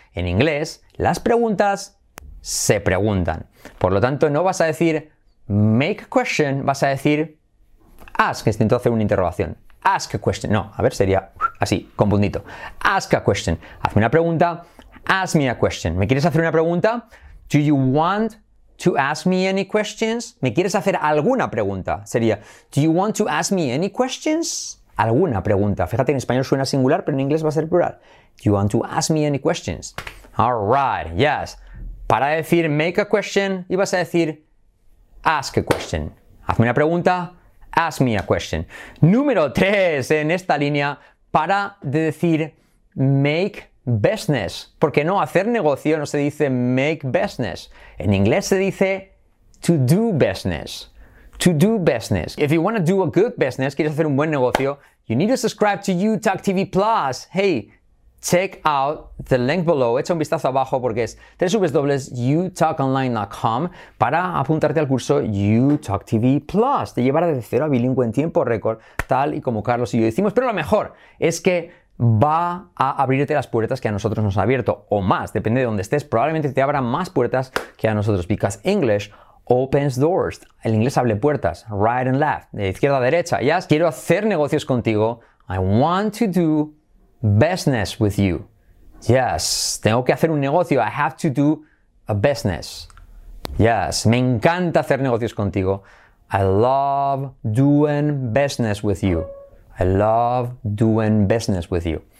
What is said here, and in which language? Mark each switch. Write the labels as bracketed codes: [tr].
[es] En inglés, las preguntas se preguntan. Por lo tanto, no vas a decir [en] make a question, [es] vas a decir ask. Intento hacer una interrogación. [en] Ask a question. [es] No, a ver, sería así, con puntito. Ask a question. Hazme una pregunta. [en] Ask me a question. [es] ¿Me quieres hacer una pregunta? [en] Do you want to ask me any questions? [es] ¿Me quieres hacer alguna pregunta? Sería, [en] do you want to ask me any questions? [es] Alguna pregunta. Fíjate, en español suena singular, pero en inglés va a ser plural. [en] Do you want to ask me any questions? All right, yes. [es] Para decir [en] make a question, [es] ibas a decir [en] ask a question. [es] Hazme una pregunta, [en] ask me a question. [es] Número 3 en esta línea, para de decir [en] make business. [es] Porque no, hacer negocio no se dice [en] make business. [es] En inglés se dice [en] to do business. To do business. If you want to do a good business, [es] quieres hacer un buen negocio, [en] you need to subscribe to Utah TV Plus. Hey, check out the link below. [es] Echa un vistazo abajo porque es www.utahonline.com para apuntarte al curso Utah TV Plus. Te llevará de cero a bilingüe en tiempo récord, tal y como Carlos y yo decimos. Pero lo mejor es que va a abrirte las puertas que a nosotros nos ha abierto o más. Depende de dónde estés. Probablemente te abran más puertas que a nosotros. [en] Because English opens doors. [es] El inglés abre puertas. [en] Right and left. [es] De izquierda a derecha. Ya, yes. Quiero hacer negocios contigo. [en] I want to do business with you. Yes. [es] Tengo que hacer un negocio. [en] I have to do a business. Yes. [es] Me encanta hacer negocios contigo. [en] I love doing business with you. I love doing business with you.